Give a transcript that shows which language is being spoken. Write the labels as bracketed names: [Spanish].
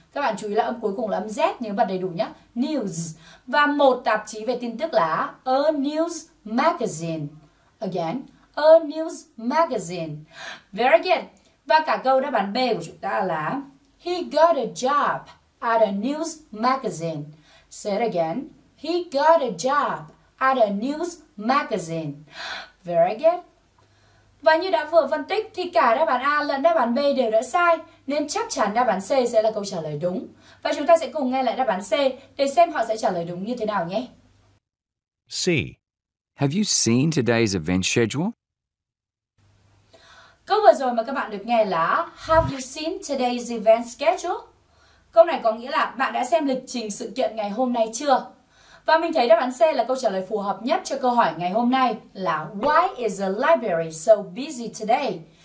[Vietnamese] Các bạn chú ý là âm cuối cùng là âm Z, nhớ bật đầy đủ nhé. News. Và một tạp chí về tin tức là [English] a news magazine. Again, a news magazine. Very good. [Vietnamese] Và cả câu đáp án B của chúng ta là [English] he got a job at a news magazine. Say it again. He got a job at a news magazine. Very good. [Vietnamese] Và như đã vừa phân tích thì cả đáp án A lẫn đáp án B đều đã sai, nên chắc chắn đáp án C sẽ là câu trả lời đúng. Và chúng ta sẽ cùng nghe lại đáp án C để xem họ sẽ trả lời đúng như thế nào nhé. [English] C. Have you seen today's event schedule? [Vietnamese] Câu vừa rồi mà các bạn được nghe là [English] Have you seen today's event schedule? [Vietnamese] Câu này có nghĩa là bạn đã xem lịch trình sự kiện ngày hôm nay chưa? Và mình thấy đáp án C là câu trả lời phù hợp nhất cho câu hỏi ngày hôm nay là [English] Why is the library so busy today?